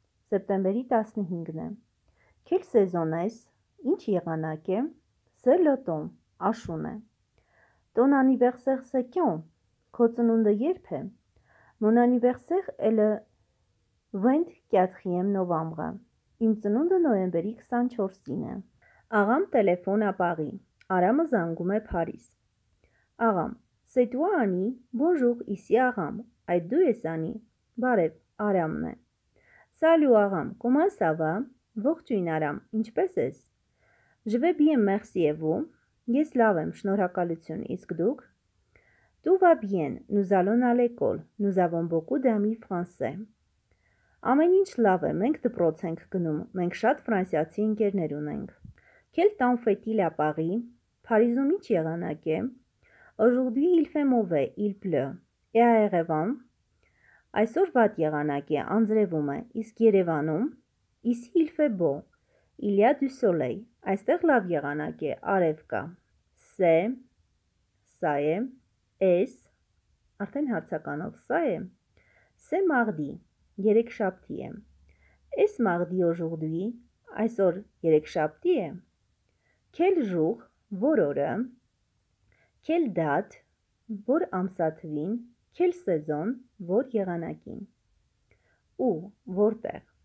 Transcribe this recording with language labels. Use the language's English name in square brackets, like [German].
[Armenian] Սեպտեմբերի 15-ն է. [French] Quel saison est-ce? [Armenian] Ինչ եղանակ է? [French] C'est l'automne. [Armenian] Աշուն է. [French] Ton anniversaire c'est quand? [Armenian] Քո ծնունդը երբ է? [French] Mon anniversaire est le 24 novembre. [Armenian] Իմ ծնունդը նոյեմբերի 24-ին է. Աղամ տելեֆոն ապարի. Արամը զանգում է Փարիզ. Աղամ. [French] C'est toi Annie? Bonjour, ici Aram. [Armenian] Այդ դու ես Annie? Բարև, Արամն է. [French] Salut Aram, comment ça va? [Armenian] Ողջույն Արամ, ինչպես ես? [French] Je vais bien, merci et vous? [Armenian] Ես լավ եմ, շնորհակալություն, իսկ դուք? [French] Tout va bien, nous allons à l'école. Nous avons beaucoup d'amis français. [Armenian] Ամեն ինչ լավ է, մենք դպրոց ենք գնում, մենք շատ ֆրանսիացի ընկերներ ունենք. [French] Quel temps fait-il à Paris? [Armenian] Փարիզում ինչ եղանակ է? [French] Aujourd'hui il fait mauvais, il pleut. Et à Erevan? [Armenian] Այսօր վատ եղանակ է, անձրևում է, իսկ Երևանում? [French] Ici il fait beau. Il y a du soleil. [Armenian] Այստեղ լավ եղանակ է, արև կա. [French] C'est, ça est, es, [Armenian] արդեն հարցականով, [French] ça est. C'est mardi, [Armenian] երեքշաբթի է. [French] Es mardi aujourd'hui, [Armenian] այսօր երեքշաբթի է. [French] Quel jour, [Armenian] որ օրը? [French] Quel date, [Armenian] որ ամսաթվին? [French] Quel saison, [Armenian] որ եղանակին? Ու, որտեղ?